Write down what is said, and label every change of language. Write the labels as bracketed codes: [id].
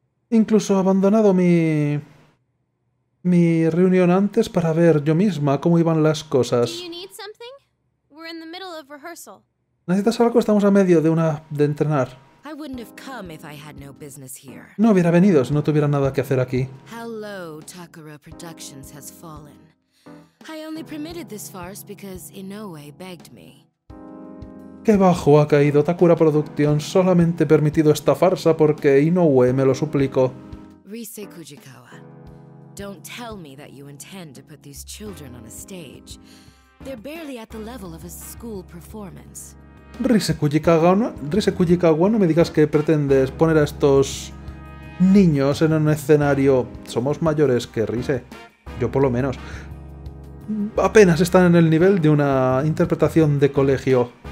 [es] Incluso he abandonado mi reunión antes para ver yo misma cómo iban las cosas. [en] Do you need something? We're in the middle of rehearsal. [es] ¿Necesitas algo? Estamos a medio de una de entrenar. [en] I wouldn't have come if I had no business here. [es] No hubiera venido si no tuviera nada que hacer aquí. [en] How low Takara Productions has fallen. I only permitted this farce because Inoue begged me. [es] ¡Qué bajo ha caído Takara Productions! Solamente he permitido esta farsa porque Inoue me lo suplicó. [en] Rise Kujikawa, don't tell me that you intend to put these children on a stage. They're barely at the level of a school performance. [es] Rise Kujikawa, no me digas que pretendes poner a estos niños en un escenario. Somos mayores que Rise, yo por lo menos. Apenas están en el nivel de una interpretación de colegio.